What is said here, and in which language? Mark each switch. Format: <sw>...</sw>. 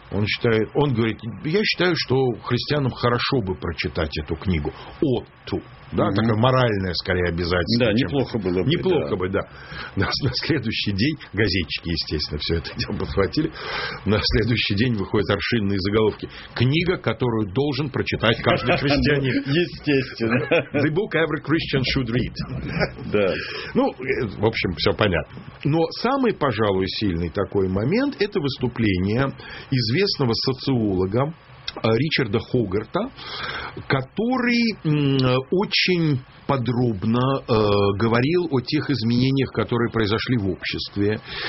<ru>Он считает, он говорит, я считаю, что христианам хорошо бы прочитать эту книгу. Отту. Да, такое моральное, скорее, обязательство. Да, неплохо было бы. Неплохо бы, да. На следующий день, газетчики, естественно, все это дело подхватили, на следующий день выходят аршинные заголовки. Книга, которую должен прочитать каждый христианин. Естественно.</ru> <en>The book every Christian should read.</en> <ru>Да. Ну, в общем, все понятно. Но самый, пожалуй, сильный такой момент, это выступление известного социолога Ричарда Хогарта, который очень подробно говорил о тех изменениях, которые произошли в обществе,</ru>